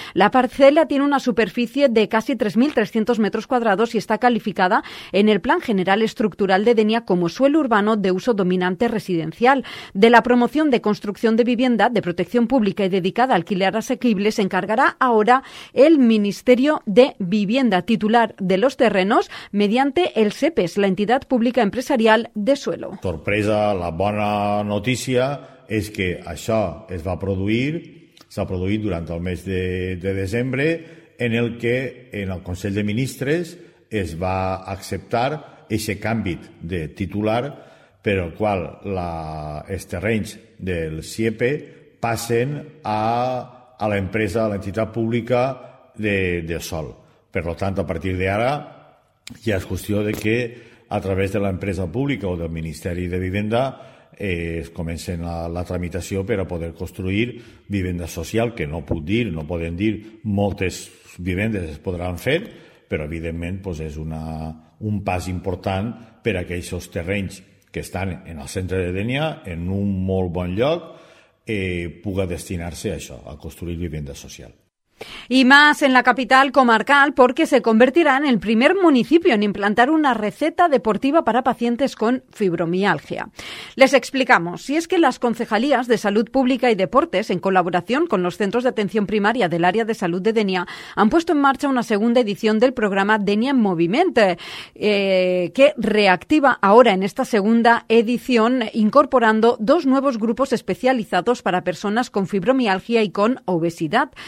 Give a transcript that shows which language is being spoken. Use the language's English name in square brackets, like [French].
[Spanish] La parcela tiene una superficie de casi 3.300 metros cuadrados y está calificada en el Plan General Estructural de Denia como suelo urbano de uso dominante residencial. De la promoción de construcción de vivienda de protección pública y dedicada a alquiler asequible se encargará ahora el Ministerio de Vivienda, titular de los terrenos, mediante el SEPES, la entidad pública empresarial de suelo. [Catalan] Sorpresa, la bona notícia és que això es va produir, s'ha produït durant el mes de desembre, en el que en el Consell de Ministres es va acceptar aquest canvi de titular per al qual els terrenys del SIEPE passen a l'empresa, a l'entitat pública de sòl. Per tant, a partir d'ara ja és qüestió de que a través de l'empresa pública o del Ministeri de Vivenda comencen la tramitació per a poder construir vivenda social, que no poden dir moltes vivendes es podran fer, però evidentment doncs és un pas important per a aquells terrenys que estan en el centre de Dénia, en un molt bon lloc, pugui destinar-se a això, a construir vivenda social. [Spanish] Y más en la capital comarcal, porque se convertirá en el primer municipio en implantar una receta deportiva para pacientes con fibromialgia. Les explicamos, si es que las concejalías de Salud Pública y Deportes, en colaboración con los centros de atención primaria del área de salud de Denia, han puesto en marcha una segunda edición del programa Denia en Movimiento, que reactiva ahora en esta segunda edición, incorporando dos nuevos grupos especializados para personas con fibromialgia y con obesidad.